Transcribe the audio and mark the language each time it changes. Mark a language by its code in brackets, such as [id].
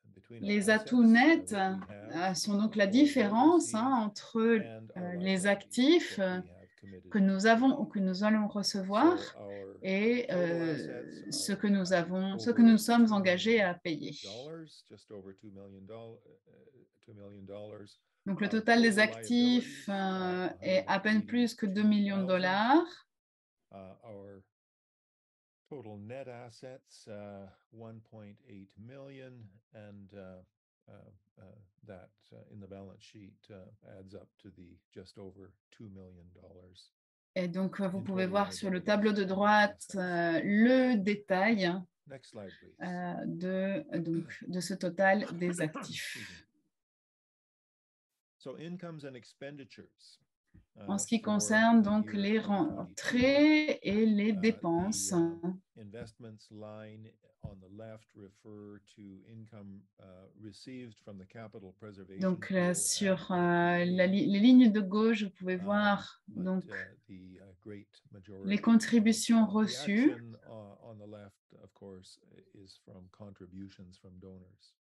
[fr] Les atouts nets sont donc la différence entre les actifs que nous avons ou que nous allons recevoir et ce que nous sommes engagés à payer. Donc le total des actifs est à peine plus que 2 millions de dollars. [en] Total net assets 1.8 million and that in the balance sheet adds up to the just over $2 million. [fr] Et donc vous pouvez voir sur le tableau de droite le détail de ce total des actifs. [en] So incomes and expenditures. [fr] En ce qui concerne donc les rentrées et les dépenses. [en] Investments line on the left refer to income received from the capital preservation. [fr] Donc sur les lignes de gauche, vous pouvez voir donc les contributions reçues. [en] On the left, of course, is from contributions from donors.